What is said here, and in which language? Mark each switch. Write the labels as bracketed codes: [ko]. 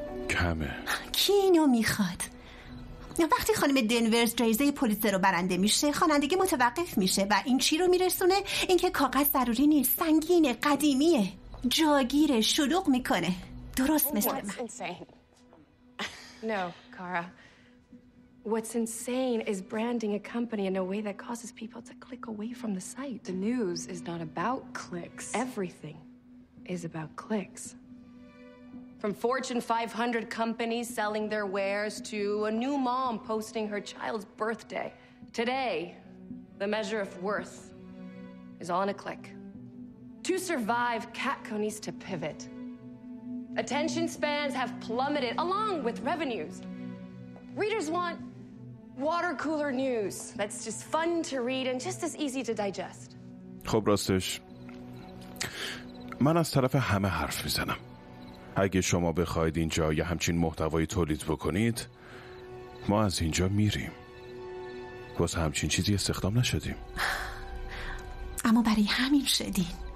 [fa] کمه. کی اینو میخواد؟ وقتی خانم دنورز جایزه پولیتزر رو برنده میشه، خوانندگی متوقف میشه و این چی رو میرسونه؟ اینکه کاغذ ضروری نیست، سنگینه، قدیمیه، جاگیره، شلوغ میکنه. درست مثل من. [en] What's insane? No, Kara. What's insane is branding a company in a way that causes people to click away from the site. The news is not about clicks. Everything is about clicks. From Fortune 500 companies selling their wares to a new mom posting her child's birthday. Today, the measure of worth is all in a click. To survive, Catco needs to pivot. Attention spans have plummeted along with revenues. Readers want water cooler news that's just fun to read and just as easy to digest. [fa] خب راستش من از طرف همه حرف میزنم. اگه شما بخواید اینجا یه همچین محتوایی تولید بکنید، ما از اینجا میریم. واسه همچین چیزی استخدام نشدیم. اما برای همین شدین.